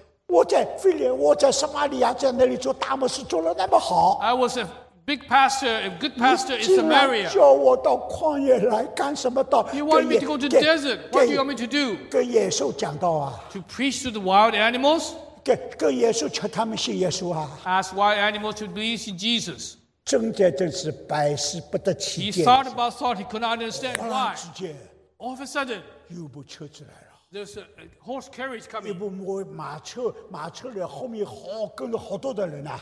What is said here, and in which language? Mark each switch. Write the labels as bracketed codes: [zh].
[zh] 我在腓力，我在撒玛利亚，在那里做大牧师，做了那么好 [en] I was a big pastor, a good pastor in Samaria. [zh] 你竟然叫我到旷野来干什么？到 [en] You want me to go to the desert? What do you want me to do? [zh] 跟野兽讲道啊 [en] To preach to the wild animals? [zh] 跟野兽求他们信耶稣啊 [en] Ask wild animals to believe in Jesus. [zh] 正在真是百思不得其解 [en] He thought about thought, he could not understand why. [zh] 忽然之间 [en] All of a sudden, [zh] 有部车子来了 [en] There's a horse carriage coming. [zh] 有部马车里后面跟着好多的人啊